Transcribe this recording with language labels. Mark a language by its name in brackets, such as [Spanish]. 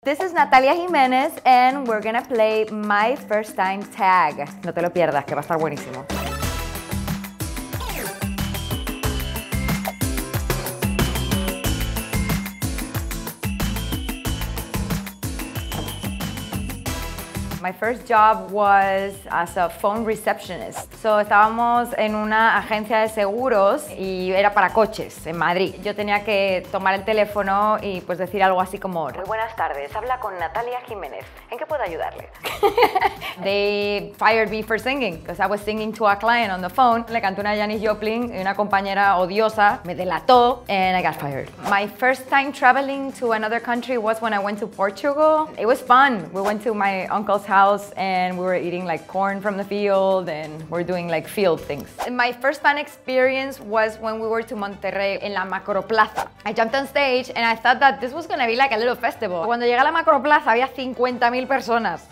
[English] This is Natalia Jiménez and we're gonna play My First Time Tag. [Spanish] No te lo pierdas, que va a estar buenísimo. [English] My first job was as a phone receptionist. [Spanish] So, estábamos en una agencia de seguros y era para coches en Madrid. Yo tenía que tomar el teléfono y pues decir algo así como: muy buenas tardes, habla con Natalia Jiménez. ¿En qué puedo ayudarle? [English] They fired me for singing, because I was singing to a client on the phone. [Spanish] Le canté una Janis Joplin y una compañera odiosa me delató [English] and I got fired. My first time traveling to another country was when I went to Portugal. It was fun. We went to my uncle's house and we were eating like corn from the field and we're doing like field things. My first fan experience was when we were to Monterrey in la Macro Plaza. I jumped on stage and I thought that this was gonna be like a little festival. [Spanish] Cuando llegué a la Macro Plaza había 50,000 personas.